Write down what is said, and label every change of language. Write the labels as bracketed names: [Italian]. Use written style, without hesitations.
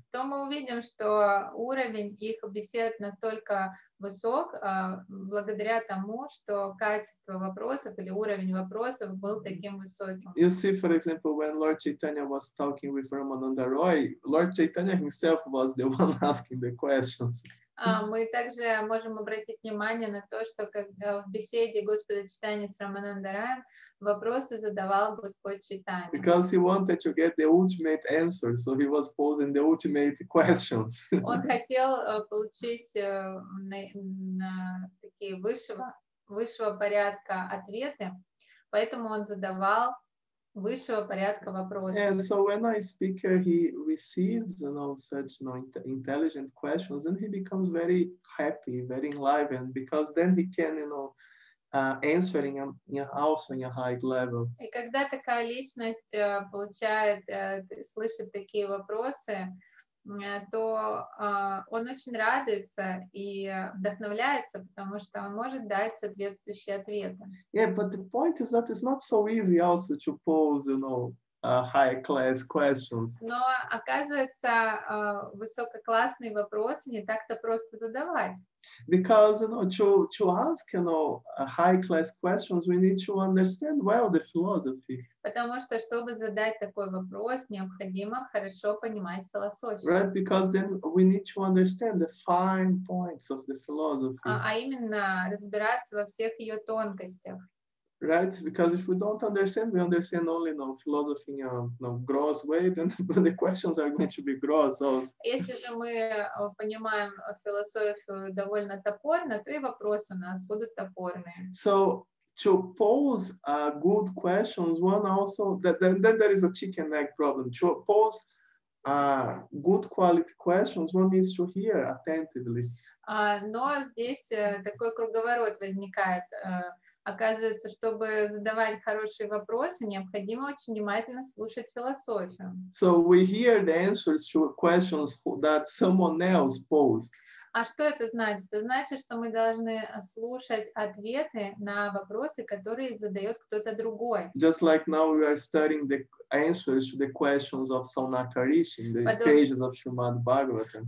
[Russian] То мы увидим, что уровень их бесед настолько высок, благодаря тому, что качество вопросов или уровень вопросов был таким высоким. [English] You see, for example, when Lord Chaitanya was talking with Ramananda Roy, Lord Chaitanya himself was the one asking the questions. [Russian] Мы также можем обратить внимание на то, что в беседе Господа Чайтаньи с Рамананда Роем вопросы задавал Господь Чайтанья. [English] Because he wanted to get the ultimate answer, so he was posing the ultimate questions. [Russian] Он хотел получить на такие высшего порядка ответы, поэтому он задавал высшего порядка вопросов. [English] Yeah, so when a speaker he receives, you know, such, you know, intelligent questions, then he becomes very happy, very enlivened, because then he can, you know, answering also in a high level. [Russian] И когда такая личность получает, слышит такие вопросы, то он очень радуется и вдохновляется, потому что он может дать соответствующие ответы. [English] Yeah, but the point is that it's not so easy also to pose, you know, high-class questions. [Russian] Но оказывается, высококлассные вопросы не так-то просто задавать. [English] Because, you know, to ask, you know, high-class questions, we need to understand well the philosophy. [Russian] Потому что, чтобы задать такой вопрос, необходимо хорошо понимать философию. [English] Right, because then we need to understand the fine points of the philosophy. [Russian] А именно, разбираться во всех ее тонкостях. [English] Right, because if we don't understand, we understand only, you know, philosophy in a, you know, gross way, then the questions are going to be gross also. [Russian] Если же мы понимаем философию довольно топорно, то и вопросы у нас будут топорные. So [English] to pose good questions, one also, then there is a chicken egg problem. To pose good quality questions, one needs to hear attentively. [Russian] Но здесь такой круговорот возникает. Оказывается, чтобы задавать хорошие вопросы, необходимо очень внимательно слушать философию. [English] So we hear the answers to questions that someone else posed. [Russian] А что это значит? Это значит, что мы должны слушать ответы на вопросы, которые задает кто-то другой. [English] Just like now we are studying the answers to the questions of Sonakarishi, the pages of Srimad Bhagavatam.